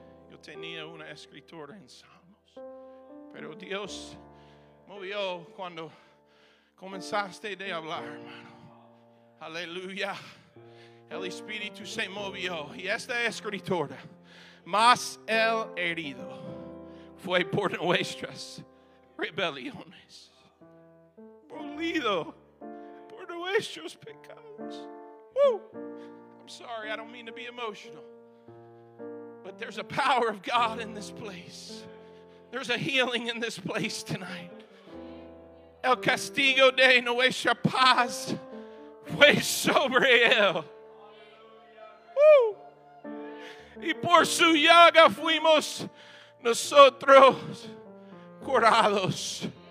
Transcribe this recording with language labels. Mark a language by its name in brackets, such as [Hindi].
[Spanish] Yo tenía una escritora en Salmos, pero Dios movió cuando comenzaste de hablar, hermano. Aleluya. El Espíritu se movió. Y esta escritora, más el herido, fue por nuestras rebeliones. Molido por nuestros pecados. [English] I'm sorry, I don't mean to be emotional. But there's a power of God in this place. There's a healing in this place tonight. [Spanish] El castigo de nuestra paz fue sobre él. Woo. Y por su llaga fuimos nosotros curados.